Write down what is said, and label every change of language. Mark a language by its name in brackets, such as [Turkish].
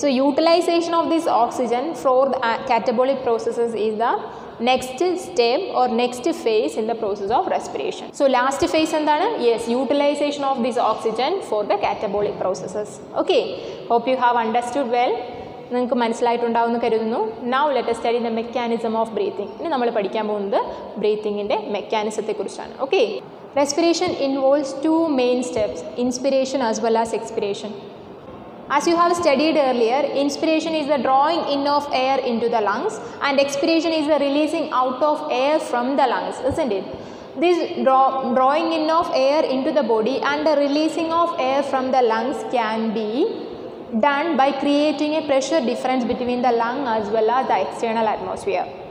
[English] So utilization of this oxygen for the catabolic processes is the next step or next phase in the process of respiration. So last phase [Malayalam] endana? [English] Yes, utilization of this oxygen for the catabolic processes. Okay, hope you have understood well. [Malayalam] നിങ്ങൾക്ക് മനസ്സിലായിട്ടുണ്ടാവും എന്ന് കരുതുന്നു. [English] Now let's study the mechanism of breathing. [Malayalam] ഇനി നമ്മൾ പഠിക്കാൻ പോകുന്നത് ബ്രീത്തിങ്ങിൻ്റെ മെക്കാനിസത്തെ കുറിച്ചാണ്. [English] Okay, respiration involves two main steps, inspiration as well as expiration. As you have studied earlier, inspiration is the drawing in of air into the lungs and expiration is the releasing out of air from the lungs, isn't it? This drawing in of air into the body and the releasing of air from the lungs can be done by creating a pressure difference between the lung as well as the external atmosphere.